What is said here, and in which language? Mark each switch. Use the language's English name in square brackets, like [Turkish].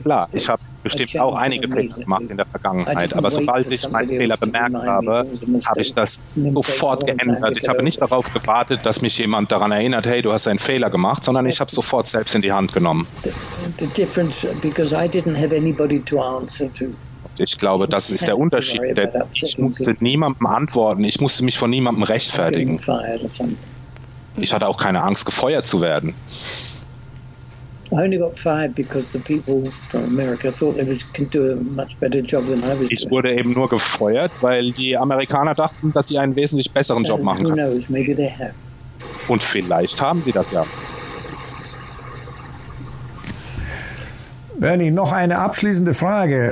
[German] klar, ich habe bestimmt auch einige Fehler gemacht in der Vergangenheit, aber sobald ich meinen Fehler bemerkt habe, habe ich das sofort geändert. Ich habe nicht darauf gewartet, dass mich jemand daran erinnert, hey, du hast einen Fehler gemacht, sondern ich habe sofort selbst in die Hand genommen. [English] The difference, because I didn't have anybody to answer to. [German] Ich glaube, das ist der Unterschied. Ich musste niemandem antworten. Ich musste mich von niemandem rechtfertigen. Ich hatte auch keine Angst, gefeuert zu werden. [English] I only got fired because the people from America thought they was can do a much better job than I was. [German] Ich wurde eben nur gefeuert, weil die Amerikaner dachten, dass sie einen wesentlich besseren Job machen können. [English] Who knows? Maybe they have. [German] Und vielleicht haben sie das ja. Bernie, noch eine abschließende Frage.